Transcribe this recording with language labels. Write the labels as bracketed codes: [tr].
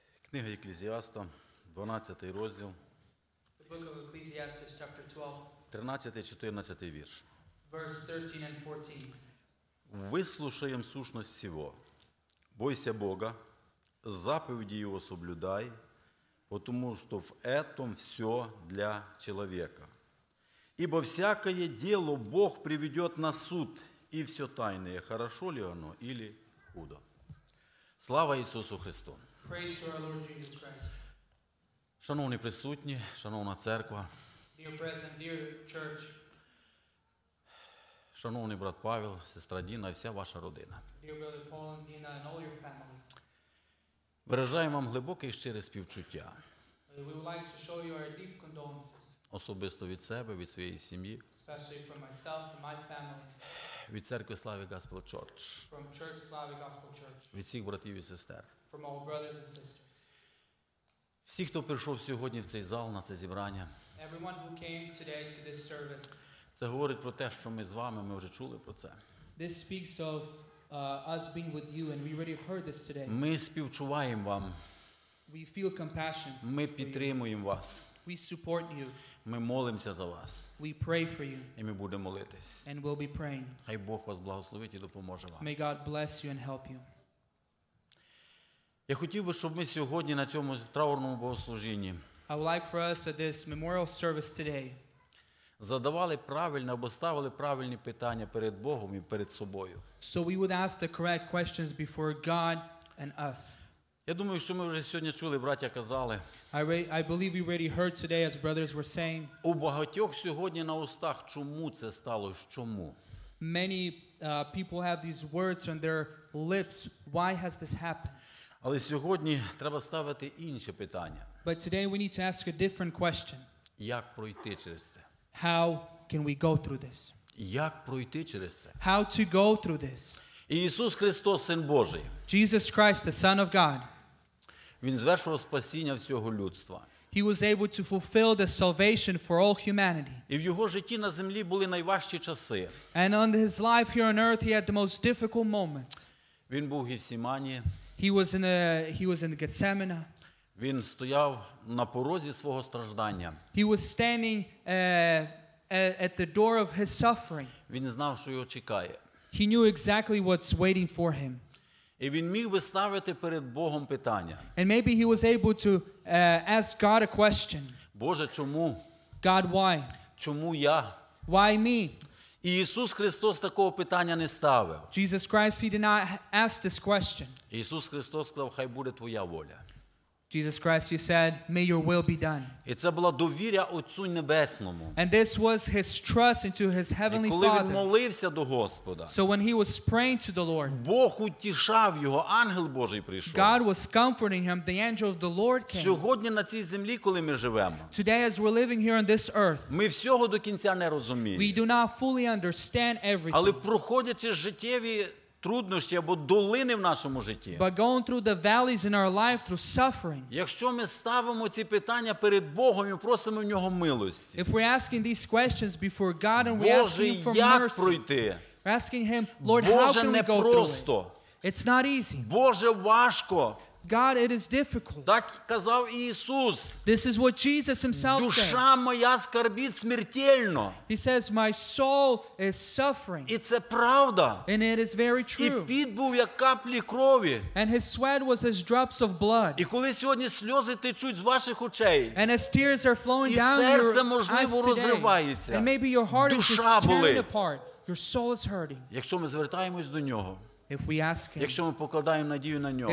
[uk] Книга Екклезіаста, 12 розділ. [en] The book of Ecclesiastes, chapter 12. [uk] 13-14 вірш. [en] Verse 13 and 14. [ru] Вислушаєм сущность всього. Бойся Бога, заповеди Його соблюдай, потому что в этом все для человека. Ибо всякое дело Бог приведет на суд, и все тайное, хорошо ли оно или худо. [uk] Слава Ісусу Христу! [en] Praise to our Lord Jesus Christ. [uk] Шановні присутні, шановна церква, [en] dear present, dear church, [uk] шановний брат Павел, сестра Діна і вся ваша родина, [en] dear brother Paul and Dina and all your family, [uk] виражаємо вам глибоке і щире співчуття. [en] We would like to show you our deep condolences. [uk] Особисто від себе, від своєї сім'ї. [en] Especially from myself and my family. [uk] Від церкви Slavic Gospel Church. [en] From Church Slavic Gospel Church. [uk] Від всіх братів і сестер. [en] From all brothers and sisters. [uk] Всі, хто прийшов сьогодні в цей зал, на це зібрання. [en] Everyone who came today to this service. [uk] Це говорить про те, що ми з вами, ми вже чули про це. [en] This speaks of us being with you, and we already have heard this today. [uk] Ми співчуваємо вам. [en] We feel compassion. [uk] Ми підтримуємо вас. [en] We support you. [uk] Ми молимося за вас. [en] We pray for you. [uk] І ми будемо молитись. [en] And we'll be praying. [uk] Хай Бог вас благословить і допоможе вам. [en] May God bless you and help you. [uk] Я хотів би, щоб ми сьогодні на цьому траурному богослужінні, [en] I would like for us at this memorial service today, [uk] задавали правильне або ставили правильні питання перед Богом і перед собою. [en] So we would ask the correct questions before God and us. [uk] Я думаю, що ми вже сьогодні чули, браття казали. [en] I believe we already heard today as brothers were saying. [uk] У багатьох сьогодні на устах чому це стало, чому? [en] Many people have these words on their lips, why has this happened? [uk] Але сьогодні треба ставити інше питання. [en] But today we need to ask a different question. [uk] Як пройти через це? [en] How can we go through this? [uk] Як пройти через це? [en] How to go through this? [uk] Ісус Христос, Син Божий. [en] Jesus Christ, the Son of God. [uk] Він звершував спасіння всього людства. [en] He was able to fulfill the salvation for all humanity. [uk] І в його житті на землі були найважчі часи. [en] And on his life here on earth, he had the most difficult moments. [uk] Він був у Гефсимані. [en] He was in Gethsemane. [uk] Він стояв на порозі свого страждання. [en] He was standing at the door of his suffering. [uk] Він знав, що його чекає. [en] He knew exactly what's waiting for him. [uk] І він міг би ставити перед Богом питання. [en] And maybe he was able to ask God a question. [uk] Боже, чому? [en] God, why? [uk] Чому я? [en] Why me? [uk] І Ісус Христос такого питання не ставив. [en] Jesus Christ, he did not ask this question. [uk] Ісус Христос сказав, хай буде твоя воля. [en] Jesus Christ, he said, may your will be done. [uk] І це була довіря Отцу Небесному. [en] And this was his trust into his heavenly Father. [uk] І коли він молився до Господа, [en] so when he was praying to the Lord, [uk] Бог утішав його, ангел Божий прийшов. [en] God was comforting him, the angel of the Lord came. [uk] Сьогодні на цій землі, коли ми живемо, [en] today as we're living here on this earth, [uk] ми всього до кінця не розуміємо. [en] We do not fully understand everything. [uk] Але проходячи життєві труднощі або долини в нашому житті. [en] But going through the valleys in our life through suffering. [uk] Якщо ми ставимо ці питання перед Богом і просимо в нього милості. [en] If we're asking these questions before God and [uk] Боже, [en] we ask him for [uk] як [en] mercy. [uk] Пройти? [en] We're asking him, Lord, [uk] Боже, [en] how can [uk] не [en] we go [uk] просто. [en] Through it? It's not easy. [uk] Боже, важко. [en] God, it is difficult. [uk] Так казав Ісус. [en] This is what Jesus himself said. [uk] Душа моя скорбить смертельно. [en] He says, my soul is suffering. [uk] І це правда. [en] And it is very true. [uk] І піт був як каплі крові. [en] And his sweat was as drops of blood. [uk] І коли сьогодні сльози течуть з ваших очей. [en] And as tears are flowing down your eyes [uk] І серце, можливо, розривається. [en] And maybe your heart is torn apart. Your soul is hurting. [uk] Якщо ми звертаємось до нього. [en] If we ask him, [uk] якщо ми покладаємо надію на нього,